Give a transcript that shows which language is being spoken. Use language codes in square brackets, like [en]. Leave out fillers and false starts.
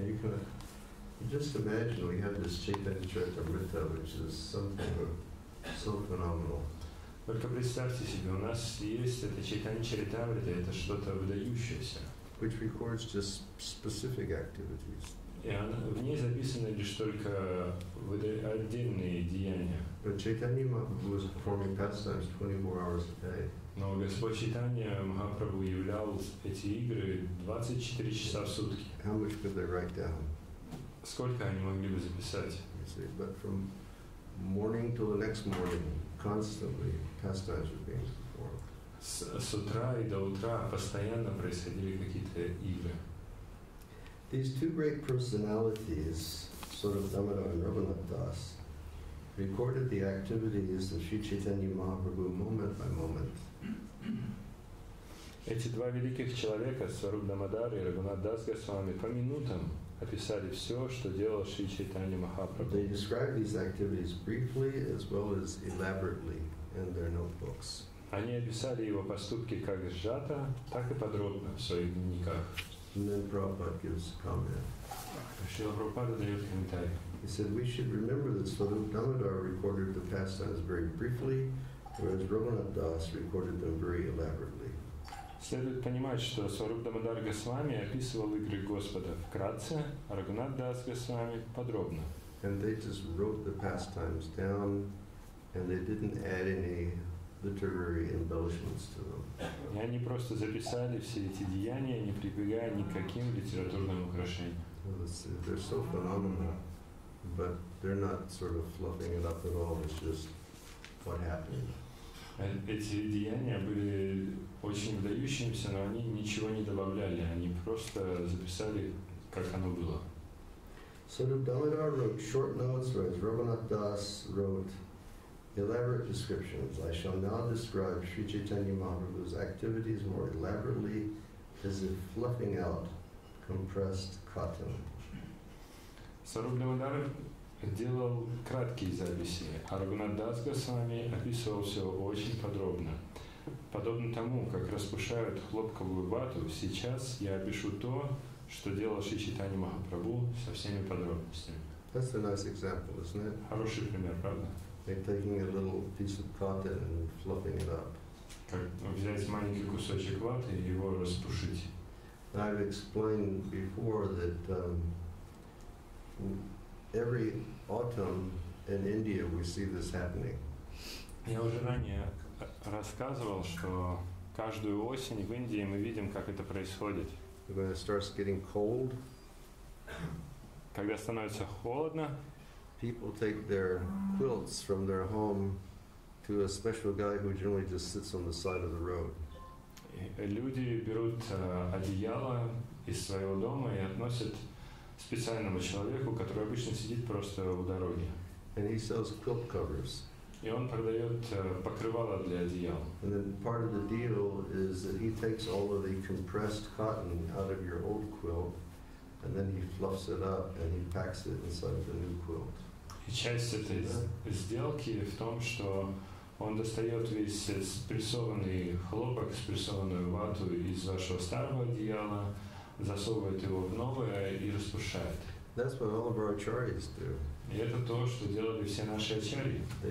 [ru] него. [en] You just imagine we have this Chaitanya-charitamrita, which is something so phenomenal. [ru] Только представьте себе, у нас есть это Чайтанья-чаритамрита, это что-то выдающееся. [en] Which records just specific activities. [ru] И в ней записаны лишь только отдельные деяния. [en] But Chaitanya Mahaprabhu was performing pastimes 24 hours a day. [ru] Но Господь Чайтанья Махапрабху являл эти игры 24 часа в сутки. [en] How much could they write down? [ru] Сколько они могли бы записать? [en] But from morning till the next morning, constantly, pastimes were being performed. [ru] С утра и до утра постоянно происходили какие-то игры. [en] These two great personalities, Sarup Damodar and Raghunath Das, recorded the activities of Sri Chaitanya Mahaprabhu moment by moment. [ru] Эти два великих человека, Сваруп Дамодар и Рагунат Дас Госвами, по минутам описали все, что делал Шри Чайтанья Махапрабху. [en] They described these activities briefly as well as elaborately in their notebooks. [ru] Они описали его поступки как сжато, так и подробно в своих дневниках. [en] And then Prabhupada gives a comment. [ru] Шрила Прабхупада дает комментарий. [en] He said, we should remember that Sarup Damodar recorded the pastimes very briefly, whereas Raghunath Das recorded them very elaborately. [ru] Следует понимать, что Сваруп Дамодар Госвами описывал игры Господа вкратце, а Рагунат Дас Госвами подробно. [en] And they just wrote the pastimes down, and they didn't add any literary embellishments to them. [ru] И они просто записали все эти деяния, не прибегая никаким литературным украшениям. [en] They're so phenomenal, but they're not sort of fluffing it up at all. It's just what happened. [ru] Эти деяния были очень выдающимися, но они ничего не добавляли. Они просто записали, как оно было. [en] Сваруп Дамодар wrote short notes, whereas Raghunath Das wrote elaborate descriptions. I shall now describe Sri Chaitanya Mahaprabhu's activities more elaborately, as if fluffing out compressed cotton. [ru] Сваруп Дамодар делал краткие записи, а Рагунат Дас Госвами описывал все очень подробно. Подобно тому, как распушают хлопковую вату, сейчас я опишу то, что делал Шри Чайтанья Махапрабху со всеми подробностями. [en] That's a nice example, isn't it? [ru] Хороший пример, правда? [en] They're taking a little piece of cotton and fluffing it up. [ru] как взять маленький кусочек ваты и его распушить. [en] I've explained before that every autumn in India we see this happening. [ru] Я уже ранее рассказывал, что каждую осень в Индии мы видим, как это происходит. [en] When it starts getting cold, [ru] когда становится холодно, [en] people take their quilts from their home to a special guy who generally just sits on the side of the road. [ru] Люди берут одеяло из своего дома и относят специальному человеку, который обычно сидит просто у дороги. [en] And he sells quilt covers. [ru] И он продает покрывало для одеял. [en] And then part of the deal is that he takes all of the compressed cotton out of your old quilt, and then he fluffs it up and he packs it inside the new quilt. [ru] И часть этой сделки в том, что он достает весь спрессованный хлопок, спрессованную вату из вашего старого одеяла, засовывает его в новое и распушает. [en] That's what all of our acharyas do. [ru] И это то, что делали все наши ачарьи.